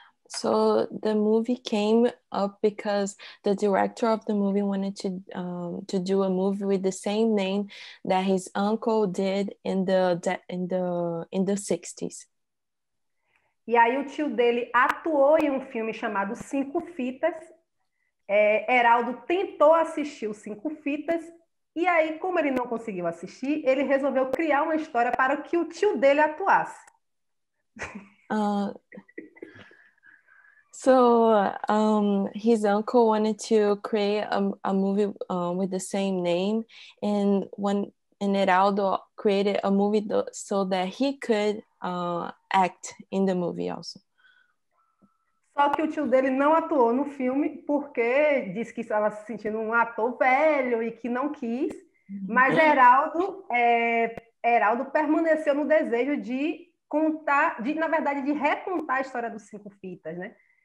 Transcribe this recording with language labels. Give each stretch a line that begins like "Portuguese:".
English: So the movie came up because the director of the movie wanted to do a movie with the same name that his uncle did in the 60s.
Portuguese: E aí o tio dele atuou em um filme chamado Cinco Fitas. Heraldo tentou assistir o Cinco Fitas e aí, como ele não conseguiu assistir, ele resolveu criar uma história para que o tio dele atuasse.
English: So his uncle wanted to create a movie with the same name, and Heraldo created a movie so that he could act in the movie also.
Portuguese: Só que o tio dele não atuou no filme porque disse que estava se sentindo um ator velho e que não quis, mas Heraldo permaneceu no desejo de contar, de recontar a história dos Cinco Fitas, né?